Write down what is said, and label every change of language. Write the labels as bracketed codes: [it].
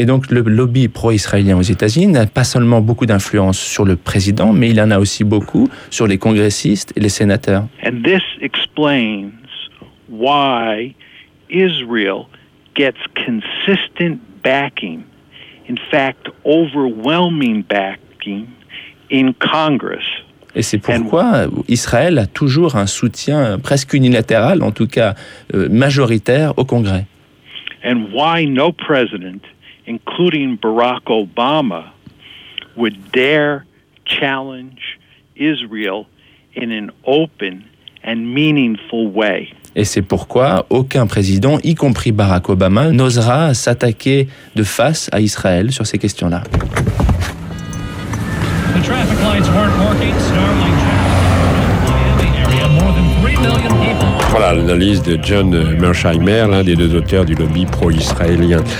[fr] Et donc le lobby pro-israélien aux États-Unis n'a pas seulement beaucoup d'influence sur le président, mais il en a aussi beaucoup sur les congressistes et les sénateurs. [en] And this explains why Israel gets consistent backing, in fact, overwhelming backing in Congress. [fr] Et c'est pourquoi Israël a toujours un soutien presque unilatéral, en tout cas majoritaire, au Congrès. [en] And why no president, including Barack Obama, would dare challenge Israel in an open and meaningful way. [fr] Et c'est pourquoi aucun président, y compris Barack Obama, n'osera s'attaquer de face à Israël sur ces questions-là. [en] The traffic lights weren't working, snarling. [fr] Voilà l'analyse de John Mersheimer, l'un des deux auteurs du lobby pro-israélien.